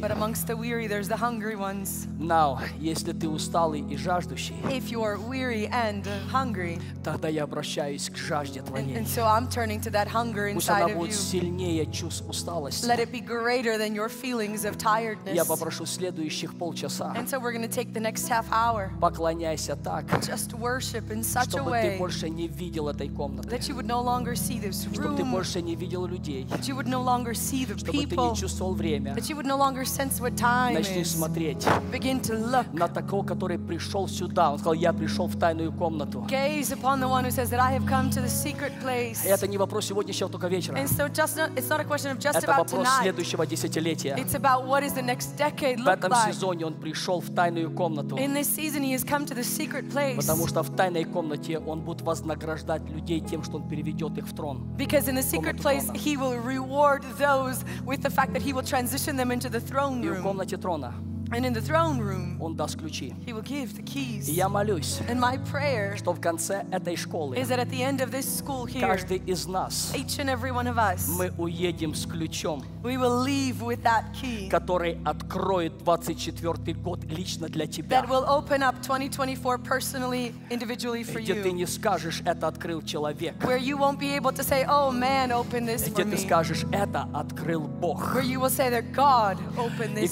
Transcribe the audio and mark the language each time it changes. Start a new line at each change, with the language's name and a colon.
English: But amongst the weary, there's the hungry ones.
Russian: Now, если ты усталый и жаждущий,
English: if you are weary and hungry,
Russian: тогда я обращаюсь к жажде твоей.
English: And so I'm turning to that hunger inside of you.
Russian: Пусть она будет сильнее чувств усталости.
English: Let it be greater than your feelings of tiredness.
Russian: Я попрошу следующих полчаса.
English: And so we're going to take the next half hour.
Russian: Поклоняйся так.
English: Just worship in such a way.
Russian: Чтобы ты больше не видел этой комнаты.
English: That you would no longer see this room.
Russian: Чтобы ты больше не видел людей.
English: That you would no longer see the people.
Russian: Чтобы ты не чувствовал время.
English: That you would no longer sense what time
Russian: начни
English: is.
Russian: Начни смотреть.
English: Begin to look.
Russian: На такого, который пришел сюда. Он сказал, я пришел в тайную комнату.
English: Gaze upon the one who says that I have come to the secret place.
Russian: Это не вопрос сегодняшнего, только вечера.
English: And so just not, it's not a question of just
Russian: это
English: about tonight.
Russian: Это вопрос следующего десятилетия.
English: It's about what is the next decade look
Russian: в этом
English: like.
Russian: Сезоне он пришел в тайную комнату.
English: In this season he has come to the secret place.
Russian: Потому что в тайной комнате он будет вознаграждать людей тем, что он переведет их в трон.
English: Because in the secret place he will reward those with the fact that he will transition them into the throne room.
Russian: И в комнате трона.
English: And in the throne room,
Russian: он даст ключи.
English: He will give the keys.
Russian: И я молюсь,
English: and my prayer,
Russian: что в конце этой школы,
English: is that at the end of this school here,
Russian: каждый из нас,
English: each and every one of us,
Russian: мы уедем с ключом,
English: we will leave with that key,
Russian: который откроет 24-й год лично для тебя,
English: that will open up 2024 personally, individually for
Russian: где
English: you,
Russian: ты не скажешь, это открыл человек,
English: where you won't be able to say, oh man, open this
Russian: где ты
English: me,
Russian: скажешь, это открыл Бог,
English: where you will say that God opened this